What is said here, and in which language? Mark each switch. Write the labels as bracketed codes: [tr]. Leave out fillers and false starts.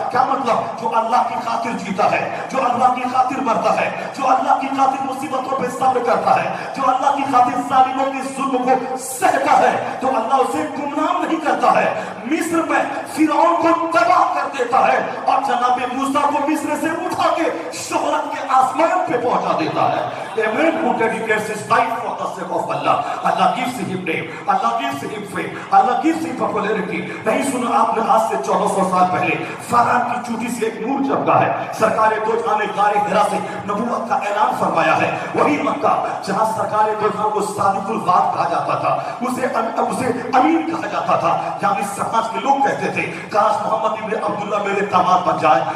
[ur] کیا مطلب؟ جو اللہ کی خاطر جیتا ہے, جو اللہ کی خاطر مرتا ہے, جو اللہ کی خاطر مصیبتوں پہ صبر کرتا ہے, جو اللہ کی خاطر ظالموں کے ظلم کو سہتا ہے, تو اللہ اسے گمنام نہیں کرتا ہے. مصر میں فرعون کو تباہ کر دیتا ہے اور جناب موسیٰ کو مصر سے اٹھا کے شہرت کے آسمان پہ پہنچا دیتا ہے. [en] Amen. Who dedicates his life for the sake of Allah. Allah gives him name, Allah gives him fame, Allah gives him popularity. [ur] نہیں سنا آپ نے آج سے 1400 سال پہلے فرعون کی چوٹی سے ایک نور جمگا ہے, سرکار دو جہاں غار حرا سے نبوت کا اعلان فرمایا ہے. وہی مکہ جہاں سرکار دو جہاں کو صادق الوعد کہا جاتا تھا, اسے امین کہا جاتا تھا, یعنی سماج کے لوگ کہتے تھے کاش محمد ابن عبداللہ میرے داماد بن جائے.